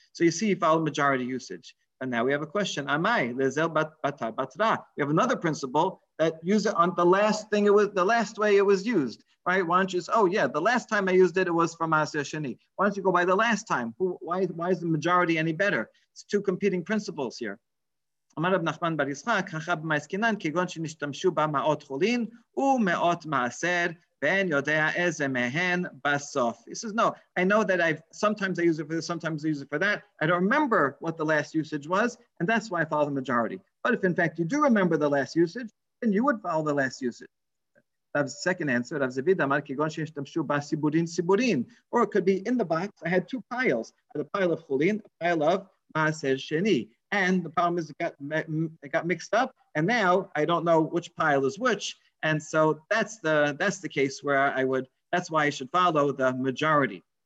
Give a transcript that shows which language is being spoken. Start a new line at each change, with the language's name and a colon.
English: So you see, you follow majority usage. And now we have a question.
Aramaic: Amai, lezel batar batra.
English: We have another principle that use it on the last thing, the last way it was used, right? Why don't you say, oh yeah, the last time I used it, it was for Maaseh Sheni. Why don't you go by the last time? Why is the majority any better? It's two competing principles here.
Hebrew: אמר רב נחמן בר יצחק, ככה במעסקינן, כגון שנשתמשו בה מאות חולין, ומאות מעשר, ואין יודע איזה מהן בסוף.
English: He says, no, I know that sometimes I use it for this, sometimes I use it for that. I don't remember what the last usage was, and that's why I follow the majority. But if in fact you do remember the last usage, then you would follow the last usage. Rav's second answer, Rav Zavid אמר,
Hebrew: כגון שנשתמשו בה סיבורין, סיבורין.
English: Or it could be in the box, I had two piles. I had a pile of חולין, a pile of מעשר שני. And the problem is it got mixed up, and now I don't know which pile is which. And so that's the case where I would, that's why I should follow the majority.